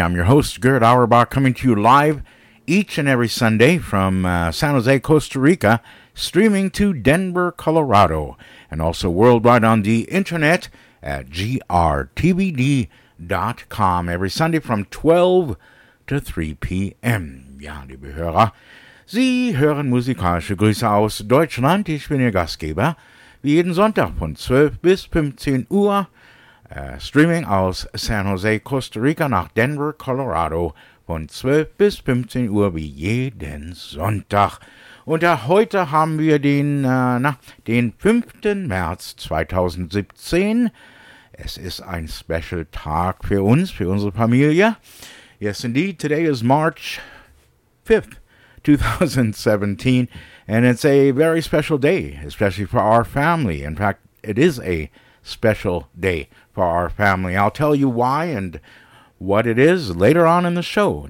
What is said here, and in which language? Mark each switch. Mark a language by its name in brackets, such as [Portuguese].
[English] I'm your host, Gerd Auerbach, coming to you live each and every Sunday from San Jose, Costa Rica, streaming to Denver, Colorado, and also worldwide on the internet at grtbd.com every Sunday from 12 to 3 p.m. [German] Ja, liebe Hörer, Sie hören musikalische Grüße aus Deutschland. Ich bin Ihr Gastgeber, wie jeden Sonntag von 12 bis 15 Uhr, streaming aus San Jose, Costa Rica nach Denver, Colorado, von 12 bis 15 Uhr, wie jeden Sonntag. Und heute haben wir den 5. März 2017. Es ist ein special Tag für uns, für unsere Familie. [English] Yes, indeed, today is March 5th, 2017, and it's a very special day, especially for our family. In fact, it is a special day for our family. I'll tell you why and what it is later on in the show.